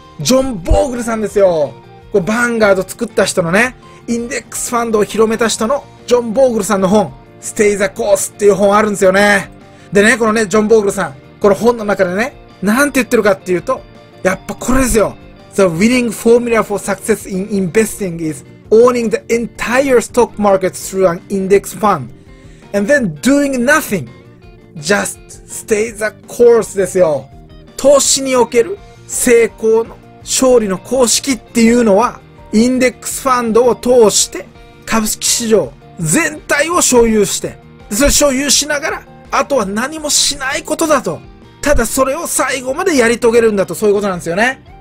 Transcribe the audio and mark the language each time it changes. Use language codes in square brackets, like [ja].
[ja] ジョン・ボーグルさんですよ。これ、バンガード作った人のね、インデックスファンドを広めた人の、ジョン・ボーグルさんの本、ステイザコースっていう本あるんですよね。でね、このね、ジョン・ボーグルさん、この本の中でね、なんて言ってるかっていうと、やっぱこれですよ。 [en] The winning formula for success in investing is owning the entire stock market through an index fund and then doing nothing. Just stay the course [ja] ですよ。投資における成功の勝利の公式っていうのは、インデックスファンドを通して株式市場全体を所有して、それ所有しながら、あとは何もしないことだと。ただそれを最後までやり遂げるんだと、そういうことなんですよね。